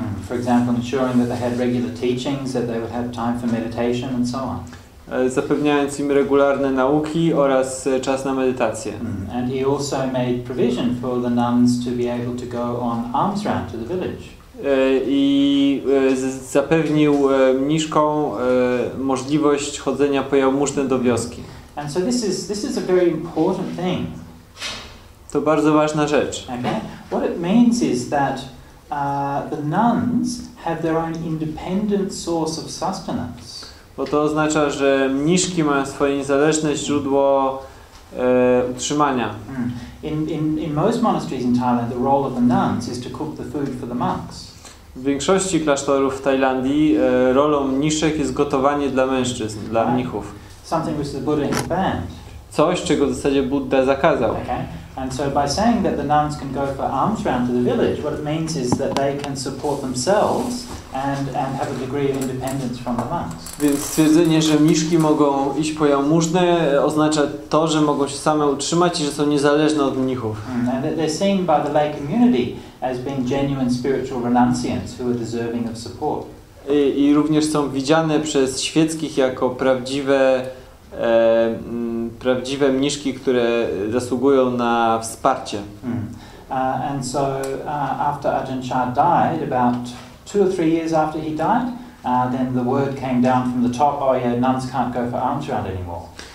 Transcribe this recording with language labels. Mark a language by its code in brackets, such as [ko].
[en] For example, ensuring that they had regular teachings, that they would have time for meditation and so on. [pl] Zapewniając im regularne nauki oraz czas na medytację. [en] And he also made provision for the nuns to be able to go on alms round to the village. [pl] I zapewnił mniszką możliwość chodzenia po jałmużnę do wioski. [en] And so this is a very important thing. [pl] To bardzo ważna rzecz. [en] Okay. What it means is that the nuns have their own independent source of sustenance. [pl] Bo to oznacza, że mniszki mają swoje niezależne źródło utrzymania. [en] In most monasteries in Thailand, the role of the nuns is to cook the food for the monks. [pl] W większości klasztorów w Tajlandii rolą mniszek jest gotowanie dla mężczyzn, dla mnichów. [en] Something which the Buddha has banned. [pl] Coś, czego w zasadzie Buddha zakazał. [en] Okay. And so by saying that the nuns can go for alms round to the village, what it means is that they can support themselves and have a degree of independence from the monks. [pl] Więc stwierdzenie, że mniszki mogą iść po jałmużnę, oznacza to, że mogą się same utrzymać i że są niezależne od mnichów. [en] And they're seen by the lay community as being genuine spiritual renunciants who are deserving of support. [pl] I również są widziane przez świeckich jako prawdziwe mniszki, które zasługują na wsparcie. [en] And so after Ajahn Chah died, about 2 or 3 years after he died, then the word came down from the top, oh yeah, nuns can't go for alms round anymore.